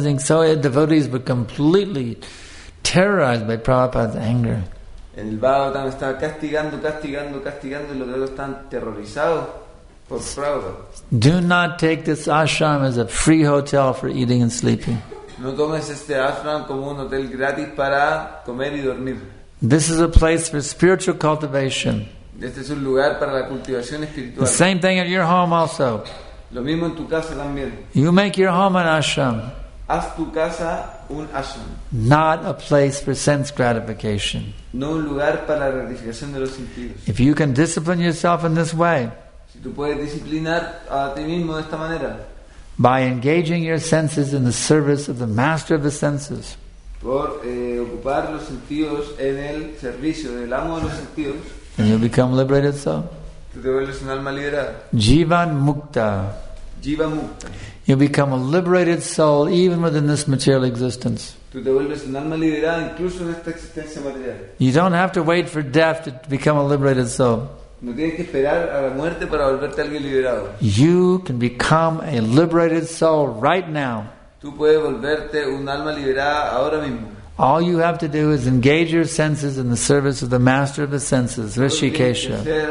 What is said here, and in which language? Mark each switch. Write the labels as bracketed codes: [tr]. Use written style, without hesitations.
[en] So the devotees were completely terrorized by Prabhupada's anger. [es] En el Bhagavad time, estaba castigando, y los devotees estaban terrorizados por Prabhupada. [en] Do not take this ashram as a free hotel for eating and sleeping. [es] No tomes este ashram como un hotel gratis para comer y dormir. [en] This is a place for spiritual cultivation. [es] Este es un lugar para la cultivación espiritual. [en] The same thing at your home also. [es] Lo mismo en tu casa también. [en] You make your home an ashram. [es] Haz tu casa un ashram. [en] Not a place for sense gratification. [es] No un lugar para la gratificación de los sentidos. [en] If you can discipline yourself in this way, [es] si tú puedes disciplinar a ti mismo de esta manera, [en] by engaging your senses in the service of the master of the senses, [es] por ocupar los sentidos en el servicio del amo de los sentidos, [en] and you become liberated soul. [es] Tú te vuelves un alma liberada. [en] Jivan Mukta. [es] Jivan Mukta. [en] You become a liberated soul even within this material existence. [es] Tú te vuelves un alma liberada incluso en esta existencia material. [en] You don't have to wait for death to become a liberated soul. [es] No tienes que esperar a la muerte para volverte alguien liberado. [en] You can become a liberated soul right now. [es] Tú puedes volverte un alma liberada ahora mismo. [en] All you have to do is engage your senses in the service of the master of the senses, Hrishikesha.